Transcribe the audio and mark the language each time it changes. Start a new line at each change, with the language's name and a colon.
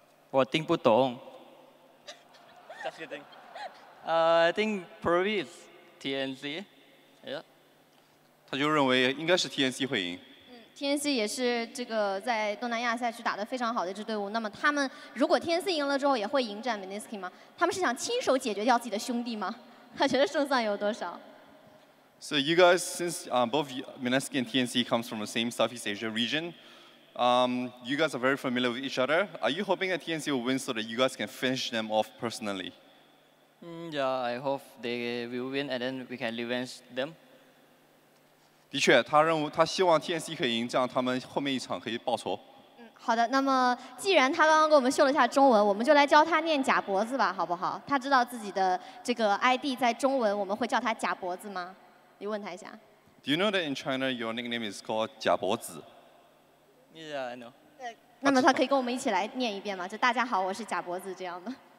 Chinese: 我听不懂。
English: Just kidding. I think probably is TNC. Yeah.
Chinese: 他就认为应该是 TNC 会赢。 TNC 也是这个在东南亚赛区打得非常好的一支队伍。那么他们如果 TNC 赢了之后，也会迎战 Mineski 吗？他们是想亲手解决掉自己的兄弟吗？他觉得胜算有多少
English: So you guys, since both Mineski and TNC comes from the same Southeast Asia region, you guys are very familiar with each other. Are you hoping that TNC will win so that you guys can finish them off personally? Yeah, I hope they will win and then we can revenge them.
Chinese: 的确，他希望 TNC 可以赢，这样他们后面一场可以报仇。嗯，好的。那么既然他刚刚给我们秀了一下中文，我们就来教他念假脖子吧，好不好？他知道自己的这个 ID 在中文，我们会叫他假脖子吗？你问他一下。
English: Do you know that in China your nickname is called 假脖子? Yeah, I know.
Chinese: 那么他可以跟我们一起来念一遍吗？就大家好，我是假脖子这样的。